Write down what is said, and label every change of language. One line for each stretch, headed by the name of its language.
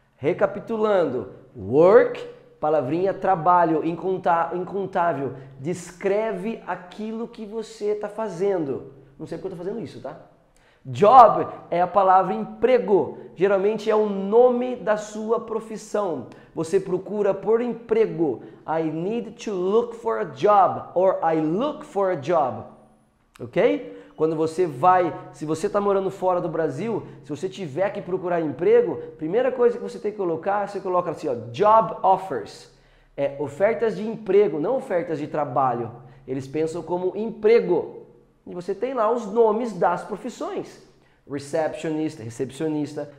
Portuguese: Recapitulando, work, palavrinha trabalho, incontável, descreve aquilo que você está fazendo. Não sei porque eu tô fazendo isso, tá? Job é a palavra emprego, geralmente é o nome da sua profissão. Você procura por emprego.
English: I need to look for a job, or I look for a job. Ok?
Portuguese: Quando você vai, se você está morando fora do Brasil, se você tiver que procurar emprego, primeira coisa que você tem que colocar, você coloca assim, ó, job offers. É ofertas de emprego, não ofertas de trabalho. Eles pensam como emprego. E você tem lá os nomes das profissões. Receptionista, recepcionista.